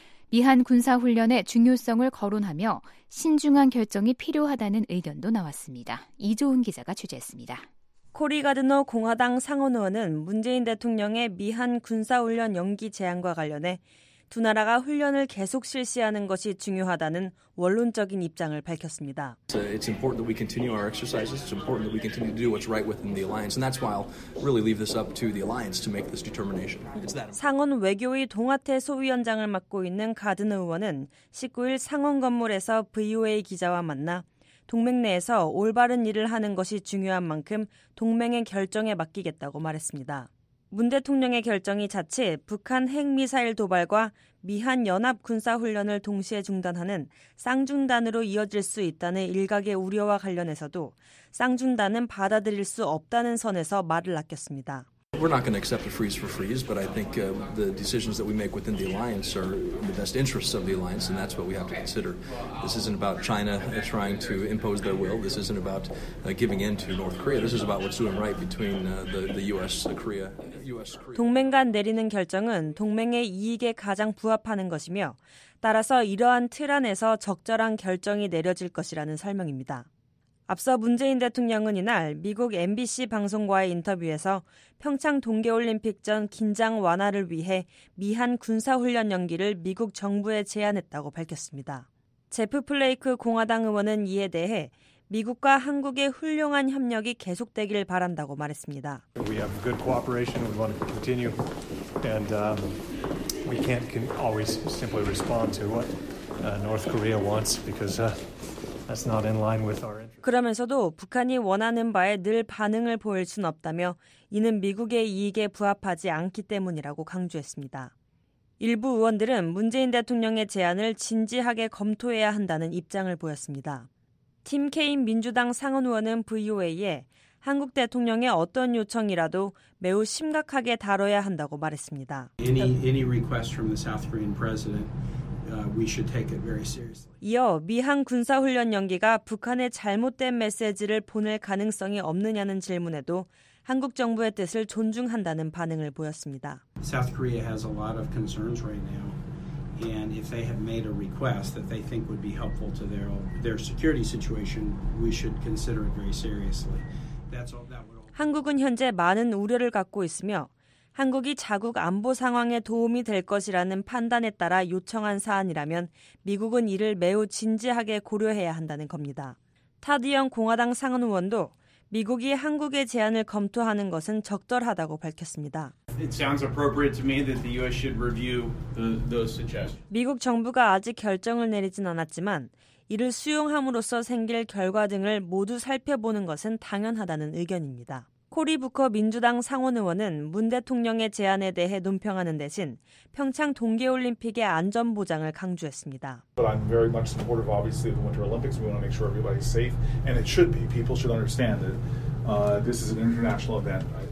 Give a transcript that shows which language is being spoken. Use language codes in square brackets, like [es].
[ko] 미한 군사훈련의 중요성을 거론하며 신중한 결정이 필요하다는 의견도 나왔습니다. 이조은 기자가 취재했습니다. 코리 가드너 공화당 상원의원은 문재인 대통령의 미한 군사훈련 연기 제안과 관련해 두 나라가 훈련을 계속 실시하는 것이 중요하다는 원론적인 입장을 밝혔습니다. [en] It's important that we continue our exercises. It's important that we continue to do what's right within the alliance. And that's why I'll really leave this up to the alliance to make this determination. [ko] 상원 외교위 동아태 소위원장을 맡고 있는 가드너 의원은 19일 상원 건물에서 VOA 기자와 만나 동맹 내에서 올바른 일을 하는 것이 중요한 만큼 동맹의 결정에 맡기겠다고 말했습니다. 문 대통령의 결정이 자칫 북한 핵미사일 도발과 미한 연합군사훈련을 동시에 중단하는 쌍중단으로 이어질 수 있다는 일각의 우려와 관련해서도 쌍중단은 받아들일 수 없다는 선에서 말을 아꼈습니다. [en] We're not going to accept a freeze for freeze, but I think the decisions that we make within the alliance are in the best interests of the alliance, and that's what we have to consider. This isn't about China trying to impose their will. This isn't about giving in to North Korea. This is about what's doing right between the U.S. Korea. [ko] 동맹 간 내리는 결정은 동맹의 이익에 가장 부합하는 것이며, 따라서 이러한 틀 안에서 적절한 결정이 내려질 것이라는 설명입니다. 앞서 문재인 대통령은 이날 미국 MBC 방송과의 인터뷰에서 평창 동계올림픽 전 긴장 완화를 위해 미한 군사훈련 연기를 미국 정부에 제안했다고 밝혔습니다. 제프 플레이크 공화당 의원은 이에 대해 미국과 한국의 훌륭한 협력이 계속되길 바란다고 말했습니다. [en] We have good cooperation. We want to continue. And we can't always simply respond to what North Korea wants because that's not in line with our [ko] 그러면서도 북한이 원하는 바에 늘 반응을 보일 순 없다며 이는 미국의 이익에 부합하지 않기 때문이라고 강조했습니다. 일부 의원들은 문재인 대통령의 제안을 진지하게 검토해야 한다는 입장을 보였습니다. 팀 케인 민주당 상원 의원은 VOA에 한국 대통령의 어떤 요청이라도 매우 심각하게 다뤄야 한다고 말했습니다. [en] Any request from the South Korean president. We should take it very seriously. [ko] 이어 미한 군사훈련 연기가 북한의 잘못된 메시지를 보낼 가능성이 없느냐는 질문에도 한국 정부의 뜻을 존중한다는 반응을 보였습니다. [en] South Korea has a lot of concerns right now, and if they have made a request that they think would be helpful to their security situation, we should consider it very seriously. That's all. [ko] 한국은 현재 많은 우려를 갖고 있으며 한국이 자국 안보 상황에 도움이 될 것이라는 판단에 따라 요청한 사안이라면 미국은 이를 매우 진지하게 고려해야 한다는 겁니다. 타드영 공화당 상원 의원도 미국이 한국의 제안을 검토하는 것은 적절하다고 밝혔습니다. [en] It sounds appropriate to me that the U.S. should review those suggestions. [ko] 미국 정부가 아직 결정을 내리진 않았지만 이를 수용함으로써 생길 결과 등을 모두 살펴보는 것은 당연하다는 의견입니다. 코리 부커 민주당 상원 의원은 문 대통령의 제안에 대해 논평하는 대신 평창 동계올림픽의 안전 보장을 강조했습니다. [en] But I'm very much supportive, obviously, of the Winter Olympics. We want to make sure everybody's safe, and it should be. People should understand that this is an international event.